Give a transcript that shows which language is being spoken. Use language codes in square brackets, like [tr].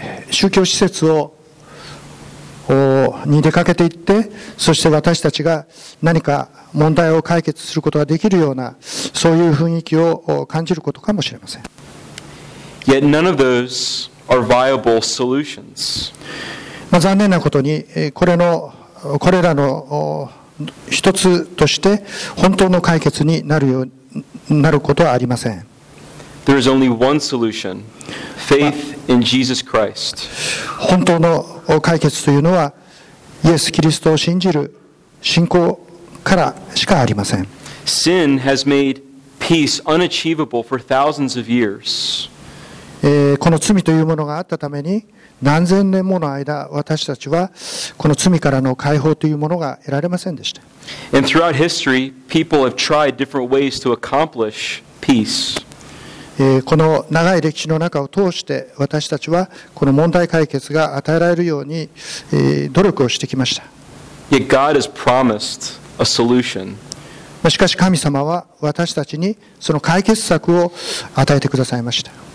[ja] 宗教施設をに出かけていって、そして私たちが何か問題を解決することができるような、そういう雰囲気を感じることかもしれません。 [en] Yet none of those are viable solutions. [ja] 残念なことに、これらの一つとして本当の解決になるようになることはありません。 [en] There is only one solution, faith in Jesus Christ. [ja] 本当の解決というのはイエス・キリストを信じる信仰からしかありません。 [en] Sin has made peace unachievable for thousands of years. [ja] この罪というものがあったために何千年もの間私たちはこの罪からの解放というものが得られませんでした。 [en] And throughout history, people have tried different ways to accomplish peace. [ja] この長い歴史の中を通して私たちはこの問題解決が与えられるように努力をしてきました。 [en] Yet God has promised a solution. [ja] しかし神様は私たちにその解決策を与えてくださいました。